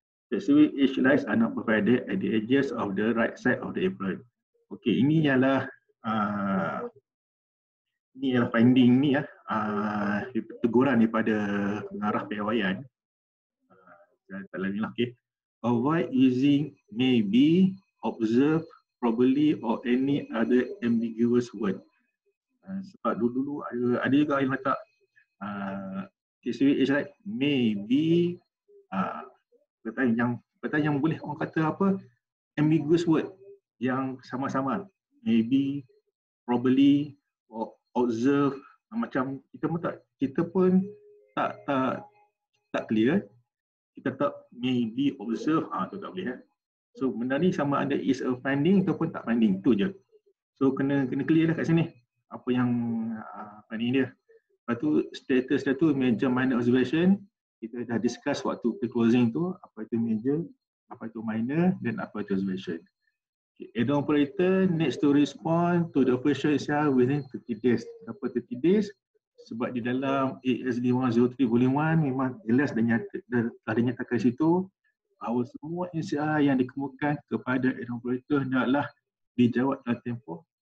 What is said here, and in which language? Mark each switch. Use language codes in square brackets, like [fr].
[en] Specific each lines are not provided at the edges of the right side of the apron. [ms] Okay, ini ialah ni ialah finding ni lah, teguran daripada pengarah piawaian. Tak lain lah, okay. [en] Avoid using maybe, observe, probably or any other ambiguous word. [ms] Sebab dulu-dulu ada juga yang letak KCW is like maybe, kata yang boleh orang kata apa, [en] ambiguous word [ms] yang sama-sama. [en] Maybe, probably or observe, [ms] macam kita pun tak clear. Kita tak maybe observe, tu tak boleh. So benda ni sama ada [en] is a finding [ms] ataupun tak finding, tu je. So kena clear lah kat sini apa yang finding dia. Lepas tu status dia tu [en] major minor observation, [ms] kita dah discuss waktu closing tu, apa itu major, apa itu minor dan apa itu observation. [en] Okay, operator needs to respond to the operation itself within 30 days. [ms] Kenapa [en] 30 days? [ms] Sebab di dalam AS5103 Volume 1 memang jelas dan telah dinyatakan situ bahawa semua NCR yang dikemukakan kepada operator hendaklah dijawab dalam tempoh